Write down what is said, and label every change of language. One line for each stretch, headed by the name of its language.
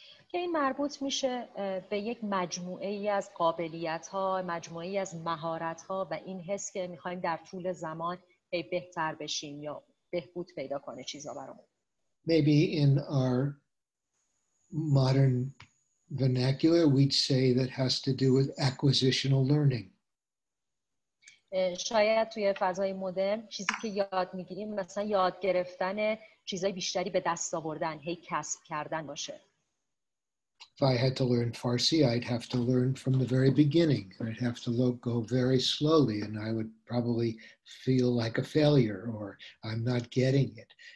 Persian: که این مربوط میشه به یک مجموعه ای از قابلیت ها، مجموعه ای از مهارت ها و این حس که میخوایم در طول زمان بهتر بشیم یا بهبود پیدا کنه چیزا برامون.
English: Maybe in our modern vernacular we'd say that has to do with acquisitional learning.
Persian: شاید توی فضای مدرن چیزی که یاد میگیریم مثلا یاد گرفتن چیزای بیشتری به دست آوردن، هی کسب کردن باشه.
English: If I had to learn Farsi, I'd have to learn from the very beginning. I'd have to go very slowly, and I would probably feel like a failure, or I'm not getting it.